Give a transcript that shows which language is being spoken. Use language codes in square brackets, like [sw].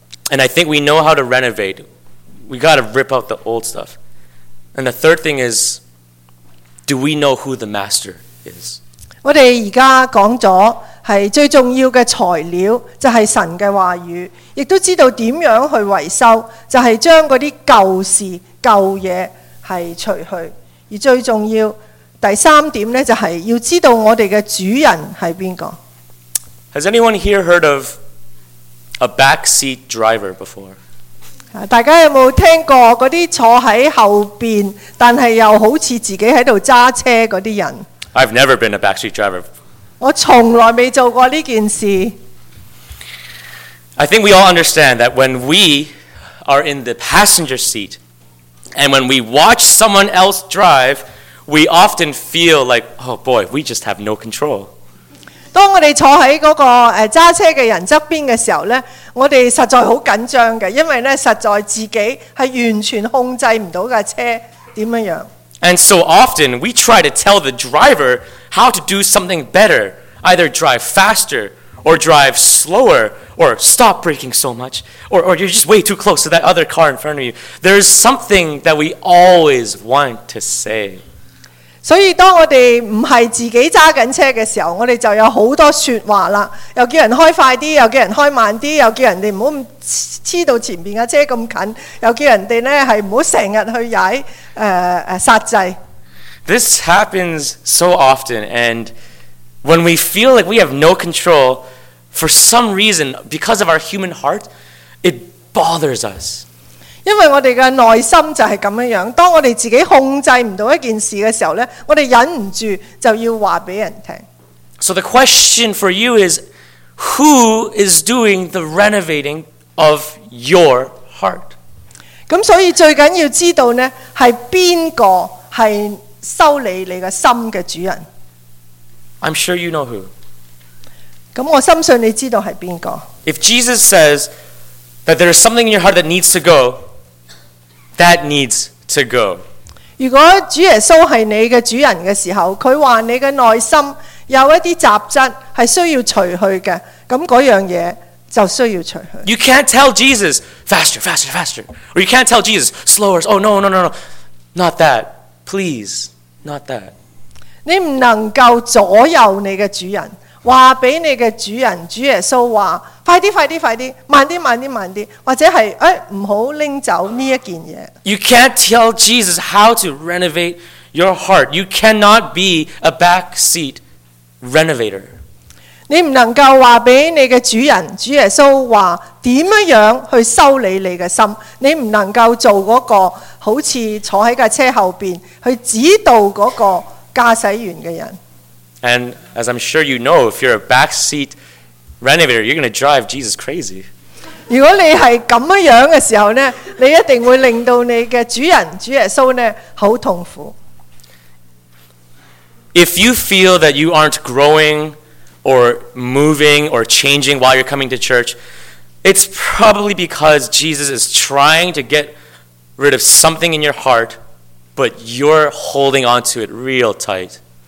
[en] And I think we know how to renovate. We got to rip out the old stuff. And the third thing is, do we know who the master is? [yue] 我們現在講了是最重要的材料，就是神的話語，也都知道怎樣去維修，就是將那些舊事、舊東西除去。而最重要，第三點呢，就是要知道我們的主人是誰。 [en] Has anyone here heard of a backseat driver before? [yue] 大家有沒有聽過那些坐在後面，但是又好像自己在駕車那些人？ [en] I've never been a backseat driver. [yue] 我從來沒做過這件事。 [en] I think we all understand that when we are in the passenger seat, and when we watch someone else drive, we often feel like, oh boy, we just have no control. [yue] 當我們坐在那個駕車的人旁邊的時候呢，我們實在很緊張的，因為呢實在自己是完全控制不到的車怎樣。 [en] And so often we try to tell the driver how to do something better, either drive faster or drive slower or stop braking so much, or you're just way too close to that other car in front of you. There is something that we always want to say. [yue] 所以當我們不是自己駕駛車的時候，我們就有很多說話了，又叫人開快一點，又叫人開慢一點，又叫人不要黐到前面的車那麼近，又叫人不要經常去踩剎掣。 [en] This happens so often, and when we feel like we have no control, for some reason, because of our human heart, it bothers us. [yue] 因為我們的內心就是這樣，當我們自己控制不到一件事的時候，我們忍不住就要告訴人聽。 [en] So the question for you is, who is doing the renovating of your heart? [yue] 所以最重要知道呢，是誰是修理你的心的主人。 [en] I'm sure you know who. [yue] 我深信你知道是誰。 [en] If Jesus says,that there is something in your heart that needs to go, that needs to go. [yue] 如果主耶稣是你的主人的时候，他说你的内心有一些杂质是需要除去的，那那样东西就需要除去。 [en] You can't tell Jesus, faster, faster, faster. Or you can't tell Jesus, slower. Oh, no, no, no, no. Not that. Please, not that. [yue] 你不能够左右你的主人。话俾你嘅主人主耶稣话，快啲快啲快啲，慢啲慢啲慢啲，或者系诶唔好拎走呢一件嘢。 [en] You can't tell Jesus how to renovate your heart. You cannot be a backseat renovator. [yue] 你唔能够话俾你嘅主人主耶稣话点样样去修理你嘅心，你唔能够做嗰个好似坐喺架车后边去指导嗰个驾驶员嘅人。 [en] And as I'm sure you know, if you're a backseat renovator, you're going to drive Jesus crazy. [yue] 如果你是这样的时候，你一定会令到你的主人主耶稣很痛苦。 [en] If you feel that you aren't growing or moving or changing while you're coming to church, it's probably because Jesus is trying to get rid of something in your heart, but you're holding on to it real tight.